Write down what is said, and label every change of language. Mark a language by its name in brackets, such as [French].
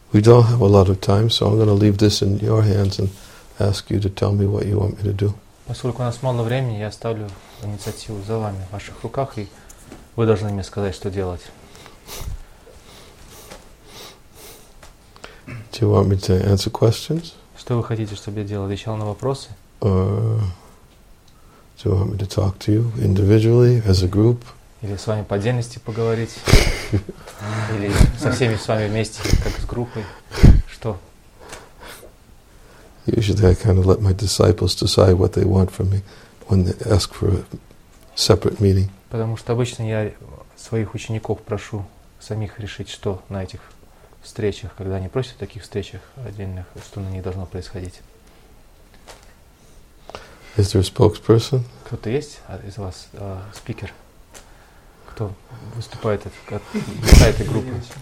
[English] We don't have a lot of time, so I'm going to leave this in your hands and ask you to tell me what you want me to do. [Russian] Поскольку у нас мало времени, я оставлю инициативу за вами, в ваших руках, и вы должны мне сказать, что делать. [English] Do you want me to answer questions? [Russian] Что вы хотите, чтобы я делал? Отвечал на вопросы? [English] Do you want me to talk to you individually, as a group? [Russian] Или с вами по отдельности поговорить? Или со всеми с вами вместе, как с группой? Что? [English] Usually I kind of let my disciples decide what they want from me when they ask for a separate meeting. [Russian] Потому что обычно я своих учеников прошу самих решить, что на этих встречах, когда они просят о таких встречах отдельных, что на них должно происходить. [English] Is there a spokesperson? [Russian] Кто-то есть из вас спикер? Кто выступает от этой группы?